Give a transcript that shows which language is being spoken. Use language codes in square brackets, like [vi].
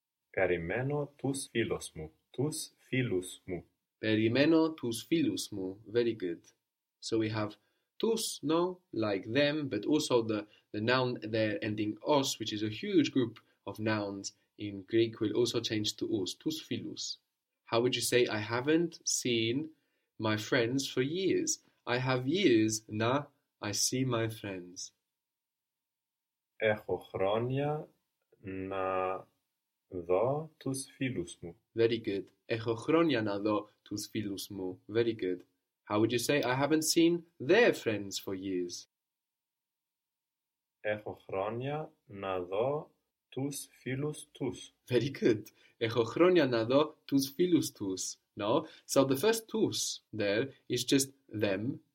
[el] Περιμένω τους φίλους μου. Τους φίλους μου. Περιμένω τους φίλους μου. [en] Very good. So we have τους, no, like them, but also the noun there ending os, which is a huge group of nouns in Greek, will also change to us, τους φίλους. How would you say, I haven't seen my friends for years? I have years να I see my friends. [el] Έχω χρόνια να δω τους φίλους μου. [en] Very good. [el] Έχω χρόνια να δω τους φίλους μου. [en] Very good. How would you say, I haven't seen their friends for years? [el] Έχω χρόνια να δω τους φίλους τους. [en] Very good. [el] Έχω χρόνια να δω τους φίλους τους. [en] No? So the first τους there is just them.